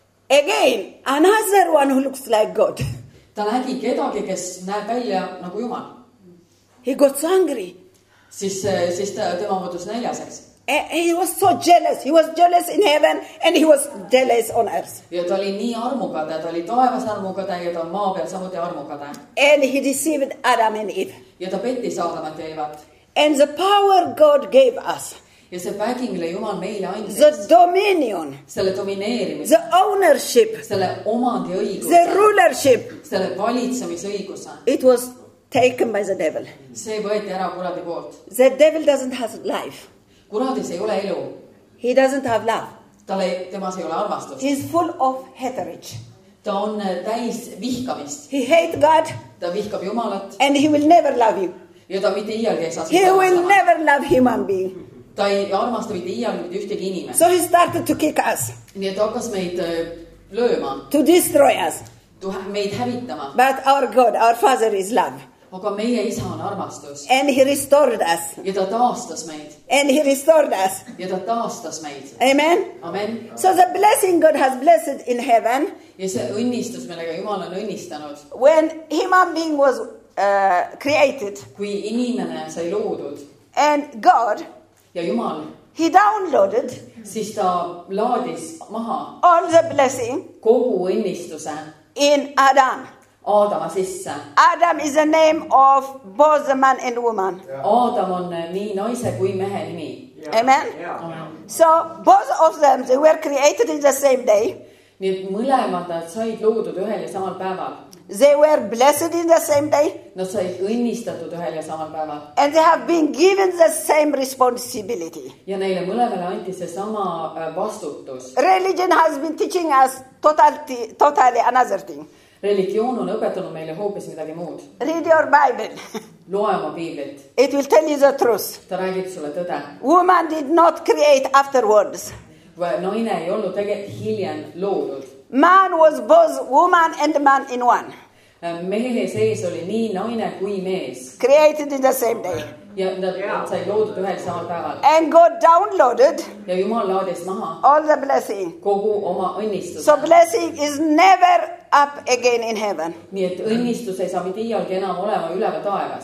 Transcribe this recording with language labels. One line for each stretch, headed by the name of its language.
English: Again, another one who looks like God.
Estonian: Ta nägi kedagi, kes näeb välja nagu Jumal.
English: He got so angry.
Estonian: Siis tema muutus neljaseks.
English: He was so jealous. He was jealous in heaven and he was jealous on earth.
Estonian: Ja ta oli nii armukade. Ta oli taevas armukade ja ta on maa peal samuti armukade.
English: And he deceived Adam and Eve.
Estonian: Ja ta pettis Adamat ja Evat.
English: And the power God gave us.
Estonian: Ja see vägi, mille Jumal meile andis.
English: The dominion.
Estonian: Selle domineerimise.
English: The ownership.
Estonian: Selle omandi õiguse.
English: The rulership.
Estonian: Selle valitsemisõiguse.
English: It was taken by the devil.
Estonian: See võeti ära kuradi poolt.
English: The devil doesn't have life.
Estonian: Kuradis ei ole elu.
English: He doesn't have love.
Estonian: Temas ei ole armastust.
English: He is full of hatred.
Estonian: Ta on täis vihkamist.
English: He hate God.
Estonian: Ta vihkab Jumalat.
English: And he will never love you.
Estonian: Ja ta mitte iialgi ei saa.
English: He will never love human being.
Estonian: Ta ei armasta mitte iialgi mitte ühtegi inimest.
English: So he started to kick us.
Estonian: Nii et hakkas meid lööma.
English: To destroy us.
Estonian: To meid hävitama.
English: But our God, our Father is love.
Estonian: Aga meie isa on armastus.
English: And he restored us.
Estonian: Ja ta taastas meid.
English: And he restored us.
Estonian: Ja ta taastas meid. Amen. Amen.
English: So the blessing God has blessed in heaven.
Estonian: Ja see õnnistus, millega Jumal on õnnistanud.
English: When human being was created.
Estonian: Kui inimene sai loodud.
English: And God.
Estonian: Ja Jumal.
English: He downloaded.
Estonian: Siis ta laadis maha.
English: All the blessing.
Estonian: Kogu õnnistuse.
English: In Adam.
Estonian: Adama sisse.
English: Adam is the name of both the man and woman.
Estonian: Yeah. Adam on nii naise kui mehe nimi. Yeah. Amen. Yeah.
English: So both of them, they were created in the same day.
Estonian: Need mõlemad said loodud ühel ja samal päeval.
English: They were blessed in the same day.
Estonian: Nad said õnnistatud ühel ja samal päeval.
English: And they have been given the same responsibility.
Estonian: Ja neile mõlemale anti see sama vastutus.
English: Religion has been teaching us totally another thing.
Estonian: Religioon on õpetanud meile hoopis midagi muud.
English: Read your Bible.
Estonian: Loema Biiblit.
English: It will tell you the truth.
Estonian: Ta räägib sulle tõde.
English: Woman did not create afterwards.
Estonian: Naine ei olnud hiljem loodud.
English: Man was both woman and man in one.
Estonian: Mehe sees oli nii naine kui mees.
English: Created in the same day.
Estonian: Ja nad sai loodud ühel samal päeval.
English: And God downloaded.
Estonian: Ja Jumal laadis maha.
English: All the blessing.
Estonian: Kogu oma õnnistus.
English: So blessing is never up again in heaven.
Estonian: Nii et õnnistus ei saa mitte iialgi enam olema üleva taevas.